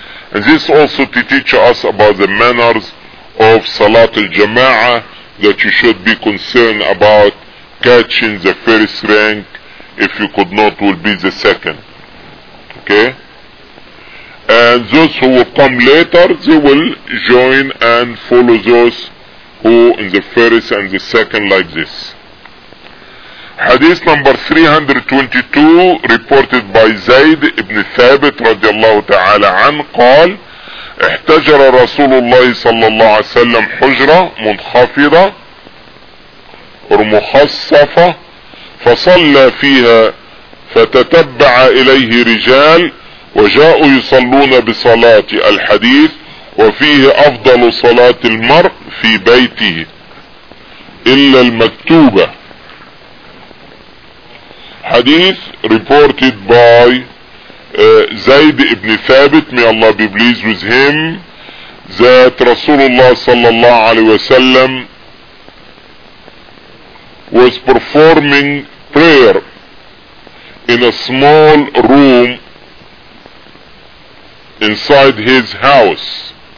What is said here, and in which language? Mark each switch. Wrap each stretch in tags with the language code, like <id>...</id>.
<en>And this also to teach us about the manners of Salat al-Jama'ah, that you should be concerned about catching the first rank, if you could not, will be the second. Okay? And those who will come later, they will join and follow those who in the first and the second like this. Hadith number 322, reported by Zayd ibn Thabit radiallahu ta'ala an,</en> <ar>قال احتجر رسول الله صلى الله عليه وسلم حجرة منخفضة ومخصفة فصلى فيها فتتبع اليه رجال وجاءوا يصلون بصلاة الحديث وفيه افضل صلاة المرء في بيته الا المكتوبة.</ar> <en>حديث reported by زيد ابن ثابت, may Allah be pleased with him, that رسول الله صلى الله عليه وسلم was performing prayer in a small room inside his house.</en>